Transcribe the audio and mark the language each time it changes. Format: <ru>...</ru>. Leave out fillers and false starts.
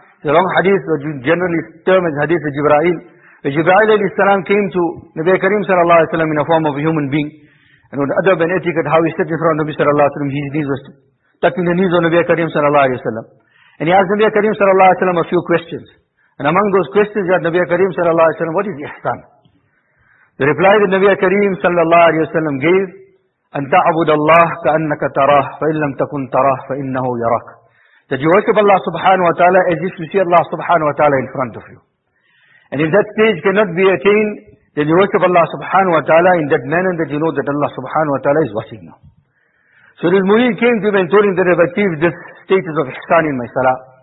<en>It's a long hadith, which is generally termed as hadith of Jibra'il. When Jibra'il alayhi salam came to Nabi Karim sallallahu alayhi wa sallam in a form of a human being, and with adab and etiquette, how he stood in front of Nabi sallallahu alayhi wa sallam, his knees were tucking the knees of Nabi Karim sallallahu alayhi wa sallam. And he asked Nabi Karim sallallahu alayhi wa sallam a few questions. And among those questions, he asked Nabi Karim sallallahu alayhi wa sallam, what is ihsan? The reply that Nabiya Kareem sallallahu alayhi wa sallam gave,</en> <ar>أن تعبد الله كأنك تراه فإن لم تكن تراه فإنه يراك.</ar> <en>That you worship Allah subhanahu wa ta'ala as if you see Allah subhanahu wa ta'ala in front of you. And if that stage cannot be attained, then you worship Allah subhanahu wa ta'ala in that manner that you know that Allah subhanahu wa ta'ala is watching you. So this Mu'in came to him and told him that I've achieved this status of ihsan in my salah.</en>